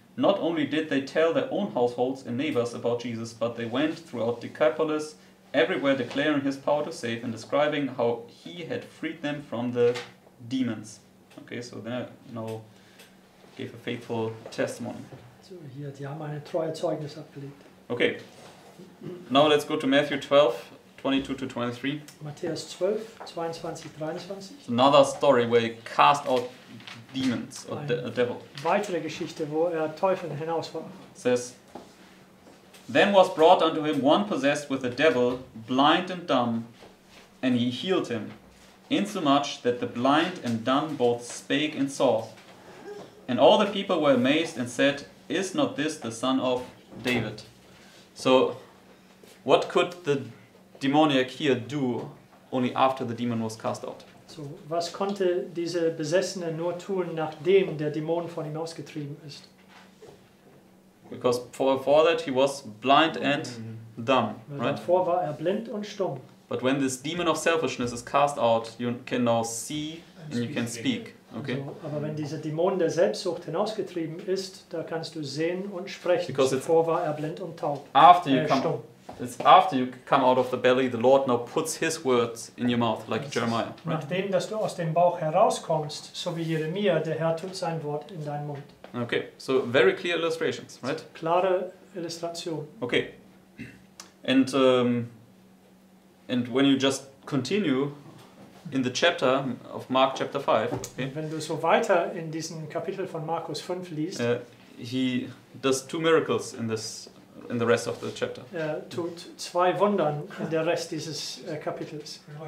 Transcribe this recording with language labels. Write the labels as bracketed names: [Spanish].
[English] Not only did they tell their own households and neighbors about Jesus, but they went throughout Decapolis, everywhere declaring his power to save and describing how he had freed them from the demons. Okay, so they now gave a faithful testimony. [German] So hier, die haben eine treue Zeugnis abgelegt. [English] Okay, now let's go to Matthew 12:22-23. [German] Matthäus 12, 22, 23. [English] Another story where he cast out demons or a devil. [German] Weitere Geschichte, wo er Teufel hinaus war. [English] Says, then was brought unto him one possessed with a devil, blind and dumb, and he healed him, insomuch that the blind and dumb both spake and saw. And all the people were amazed and said, is not this the son of David? So, what could the demoniac here do only after the demon was cast out? [German] So, was konnte diese Besessene nur tun, nachdem der Dämon von ihm ausgetrieben ist? [English] Because before that he was blind and dumb, right? [German] Davor war er blind und stumm. [English] But when this demon of selfishness is cast out, you can now see and you can speak. Okay. [German] So, aber wenn dieser Dämon der Selbstsucht hinausgetrieben ist, da kannst du sehen und sprechen. [English] Because [German] davor war er blind und taub. [English] After you come, it's after you come out of the belly, the Lord now puts his words in your mouth, like Jeremiah. Right? [German] Nachdem, dass du aus dem Bauch herauskommst, so wie Jeremia, der Herr tut sein Wort in deinen Mund. [English] Okay, so very clear illustrations, right? [German] Klare Illustration. [English] Okay. And when you just continue in the chapter of Mark chapter 5, okay? [German] Wenn du so weiter in diesem Kapitel von Markus 5 liest, [English] he does two miracles in this in the rest of the chapter. [German] Er tut zwei Wundern in der Rest dieses Kapitels.